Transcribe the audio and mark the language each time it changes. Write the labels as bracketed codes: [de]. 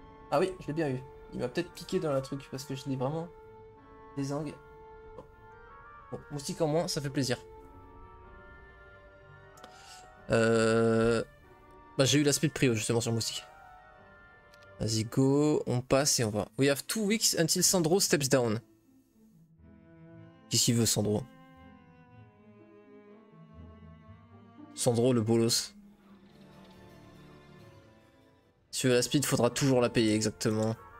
[fr] Ah oui, je l'ai bien eu. Il m'a peut-être piqué dans la truc parce que je l'ai vraiment désingue. Bon, moustique en moins, ça fait plaisir. Bah j'ai eu la speed prio justement sur moustique. Vas-y go, on passe et on va. [en] We have 2 weeks until Sandro steps down. [fr] Qu'est-ce qu'il veut Sandro? Sandro le bolos. Si tu veux la speed, faudra toujours la payer exactement.